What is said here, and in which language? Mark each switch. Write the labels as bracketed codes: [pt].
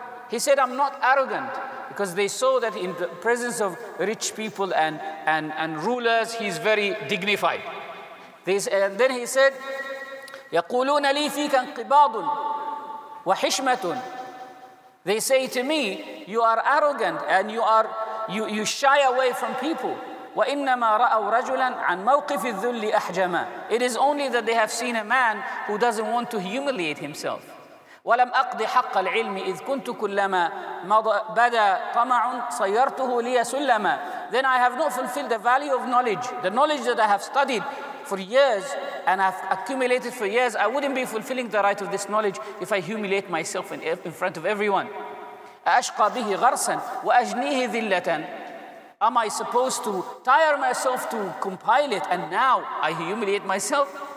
[en] He said, I'm not arrogant, because they saw that in the presence of rich people and rulers, he's very dignified. And then he said, [ar] يقولون لي فيك انقباض وحشمة. [en] They say to me, you are arrogant and you shy away from people. [ar] وإنما رأوا رجلا عن موقف الذل أحجما. [en] It is only that they have seen a man who doesn't want to humiliate himself. [ar] ولم أقضي حق العلم إذ كنت كلما بدا طمع صيرته لي سلما. [en] Then I have not fulfilled the value of knowledge, the knowledge that I have studied for years and I've accumulated for years. I wouldn't be fulfilling the right of this knowledge if I humiliate myself in front of everyone. [ar] أشقى به غرسا وأجنيه ذلة. [en] Am I supposed to tire myself to compile it and now I humiliate myself?